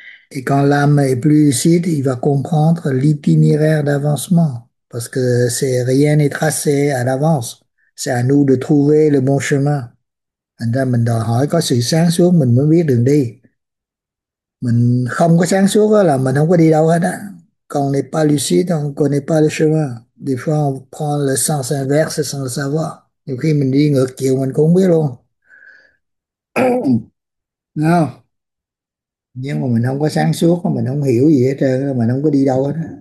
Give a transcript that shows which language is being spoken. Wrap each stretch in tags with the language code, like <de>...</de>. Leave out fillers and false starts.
<fr>Et quand l'âme est plus lucide, il va comprendre l'itinéraire d'avancement, parce que c'est rien n'est tracé à l'avance, c'est à nous de trouver le bon chemin.</fr> <vi>Thành ra mình đòi hỏi có sự sáng suốt mình mới biết đường đi. Mình không có sáng suốt đó là mình không có đi đâu hết á.</vi> <fr>Quand on n'est pas lucide, on ne connaît pas le chemin. Des fois, on prend le sens inverse sans le savoir.</fr> <vi>Nhiều khi mình đi ngược chiều, mình cũng không biết luôn. Không. Nhưng mà mình không có sáng suốt, mình không hiểu gì hết trơn, mình không có đi đâu hết.</vi>